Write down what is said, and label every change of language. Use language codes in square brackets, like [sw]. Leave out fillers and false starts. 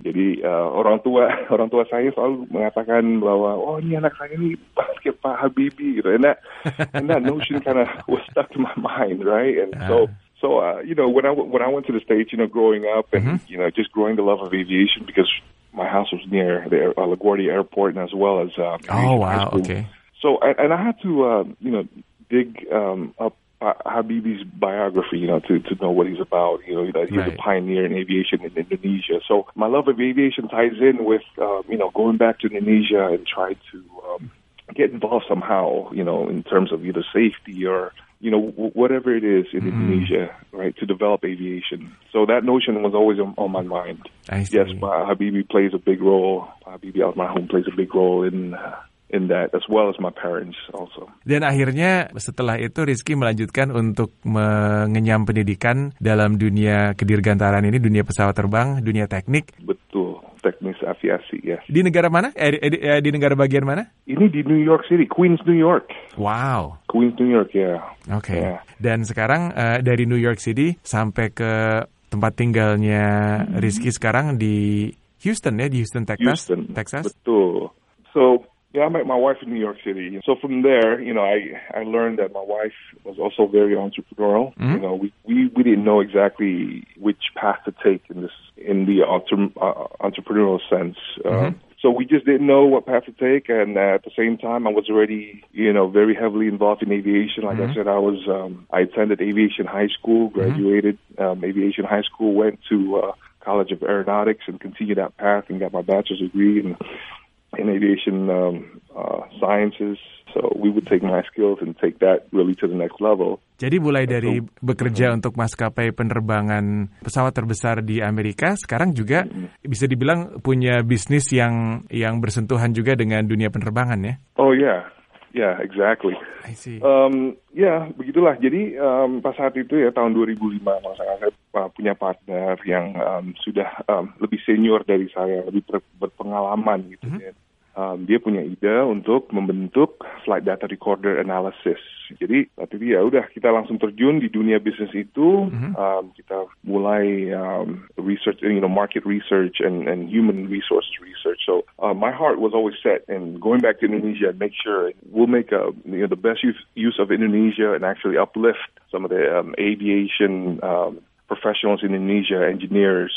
[id] Jadi orang tua saya selalu mengatakan bahwa, oh ini anak saya ini basket Pak Habibie. Gitu. [en] And that notion kind of was stuck to my mind, right? And So, you know, when I went to the States, you know, growing up and, you know, just growing the love of aviation because my house was near the LaGuardia Airport and as well as... Oh, wow, okay. So, and I had to, you know, dig up Habibie's biography, you know, to know what he's about, you know, that he's right. a pioneer in aviation in Indonesia. So my love of aviation ties in with, you know, going back to Indonesia and try to get involved somehow, you know, in terms of either safety or, you know, whatever it is in Indonesia, right, to develop aviation. So that notion was always on my mind. I see. Yes, Habibie plays a big role. Habibie Almarhum plays a big role in that, as well as my parents also. [id] Dan akhirnya setelah itu Rizky melanjutkan untuk mengenyam pendidikan dalam dunia kedirgantaraan ini, dunia pesawat terbang, dunia teknik. Betul, teknis aviasi, yes. Di negara mana? Di negara bagian mana? Ini di New York City, Queens, New York. Wow. [en] Queens, New York, yeah. Okay. Yeah. [id] Dan sekarang dari New York City sampai ke tempat tinggalnya Rizky sekarang di Houston, ya, di Houston, Texas. Houston, Texas. Betul. [en] So, yeah, I met my wife in New York City. So from there, you know, I learned that my wife was also very entrepreneurial. Mm-hmm. You know, we didn't know exactly which path to take in the entrepreneurial sense. Mm-hmm. So we just didn't know what path to take. And at the same time, I was already, you know, very heavily involved in aviation. Like mm-hmm. I said, I was, I attended aviation high school, graduated mm-hmm. Aviation high school, went to College of Aeronautics and continued that path and got my bachelor's degree in aviation sciences. So we would take my skills and take that really to the next level. [id] Jadi mulai dari bekerja untuk maskapai penerbangan pesawat terbesar di Amerika, sekarang juga bisa dibilang punya bisnis yang bersentuhan juga dengan dunia penerbangan, ya? [en] Oh yeah, yeah, exactly. I see. [id] Yeah, begitulah. Jadi pas saat itu ya tahun 2005, saya punya partner yang sudah lebih senior dari saya, lebih berpengalaman gitu ya. Mm-hmm. Dia punya ide untuk membentuk flight data recorder analysis. Jadi, waktu itu ya udah kita langsung terjun di dunia bisnis itu. Mm-hmm. Kita mulai [en] research, you know, market research and human resources research. So my heart was always set in going back to Indonesia and make sure we'll make the best use of Indonesia and actually uplift some of the aviation professionals in Indonesia, engineers.